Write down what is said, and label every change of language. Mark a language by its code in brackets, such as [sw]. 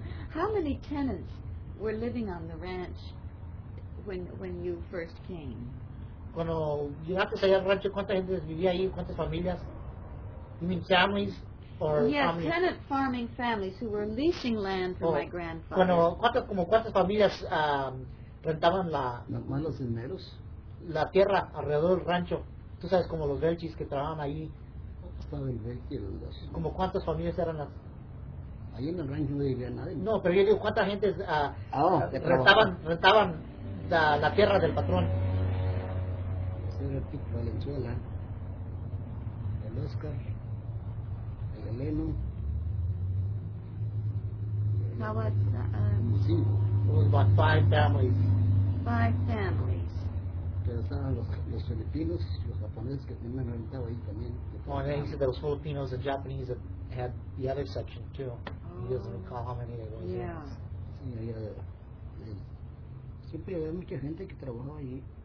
[en] How many tenants were living on the ranch when you first came? [es] Cuando llegaste allá al rancho, ¿cuánta gente vivía ahí? ¿Cuántas familias? [en] You mean families? Yes, tenant farming families who were leasing land for my grandfather. [es] Bueno, ¿cuántas familias rentaban la... ¿Los malos dineros? La tierra alrededor del rancho. Tú sabes, como los belchis que trabajaban ahí. Estaba el belchis, los dos. ¿Cómo cuántas familias eran las...? Ahí en el rancho no vivía nadie. No, pero yo digo, ¿cuánta gente rentaban la tierra del patrón? Ese era el Pico Valenzuela, el Oscar... Leno. [en] How was about five families. Five families. [es] Pero estaban los filipinos, los japoneses que tenían rentado ahí también. [en] Oh, and then he said there was Filipinos and Japanese that had the other section too. Oh. He doesn't recall how many there was. Yeah. [es] Sí, siempre había mucha gente que trabajaba ahí.